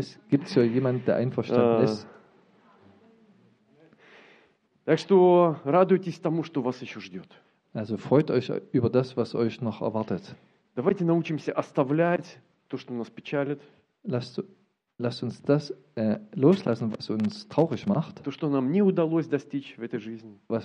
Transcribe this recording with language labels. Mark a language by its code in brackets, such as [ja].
[de] Gibt es hier jemanden, der einverstanden ist? [ru] Так что радуйтесь тому, что вас еще ждет. [de] Also freut euch über das, was euch noch erwartet. [ru] Давайте научимся оставлять то, что нас печалит. [de] Lasst uns das loslassen, was uns traurig macht. [ru] То, что нам не удалось достичь в этой жизни.